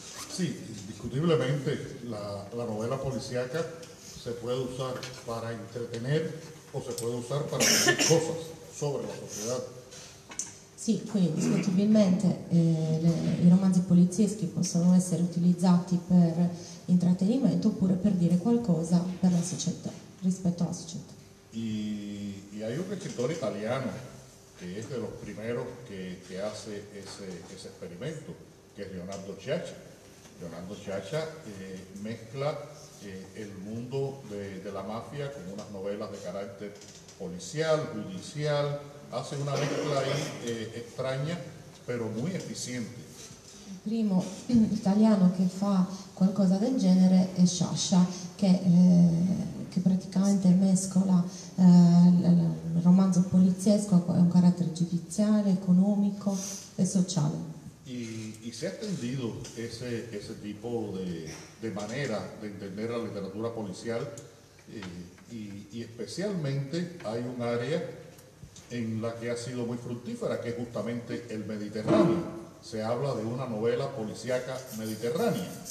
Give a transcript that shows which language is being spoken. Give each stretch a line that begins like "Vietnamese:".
Italian: Sì, indiscutibilmente la novella poliziaca
Spanish: se puede usar para entretener o se puede usar para decir cosas sobre la sociedad.
Italian: Sì, quindi discutibilmente i romanzi polizieschi possono essere utilizzati per intrattenimento oppure per dire qualcosa per la società, rispetto alla società.
Spanish: Y hay un escritor italiano que es de los primeros que hace ese experimento, que es Leonardo Sciascia. Leonardo Sciascia mezcla el mundo de la mafia con unas novelas de carácter policial, judicial, hace una mezcla ahí extraña, pero muy eficiente.
Italian: El primo italiano que fa qualcosa del genere è Sciascia, che praticamente mescola il romanzo poliziesco con un carattere giudiziale, economico e sociale.
Spanish: Y se ha extendido ese tipo de manera de entender la literatura policial y especialmente hay un área en la que ha sido muy fructífera, que es justamente el Mediterráneo. Se habla de una novela policiaca mediterránea.